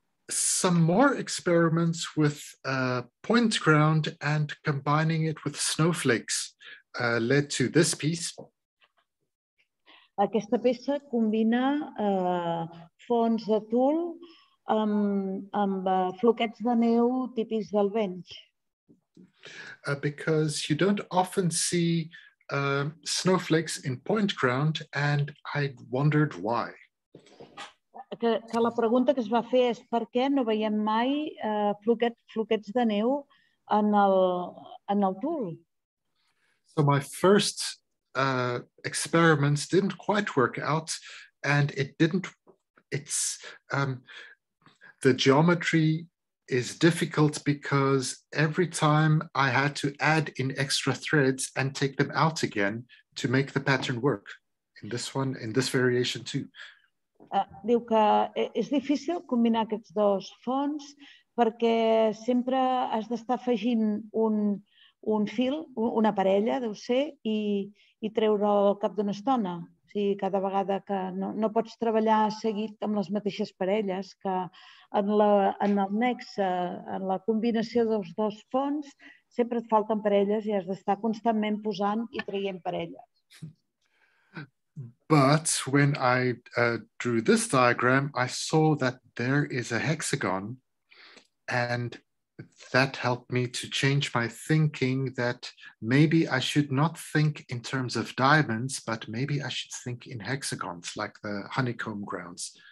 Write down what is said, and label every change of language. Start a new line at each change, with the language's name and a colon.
English: Some more experiments with point ground and combining it with snowflakes led to this piece.
Catalan: Aquesta peça combina fons de tul amb floquets de neu típics del Benj.
English: Because you don't often see snowflakes in point ground, and I wondered why.
Catalan: Que la pregunta que es va fer és per què no veiem mai floquets de neu en el tul.
English: So my first experiments didn't quite work out, and the geometry is difficult because every time I had to add in extra threads and take them out again to make the pattern work in this variation too.
Catalan: Diu que és difícil combinar aquests dos fons perquè sempre has d'estar afegint un fil, una parella, deu ser, i treure'l al cap d'una estona. O sigui, cada vegada que no pots treballar seguit amb les mateixes parelles, que en el nexe, en la combinació dels dos fons, sempre et falten parelles i has d'estar constantment posant i traient parelles.
English: But when I drew this diagram, I saw that there is a hexagon, and that helped me to change my thinking that maybe I should not think in terms of diamonds, but maybe I should think in hexagons, like the honeycomb grounds.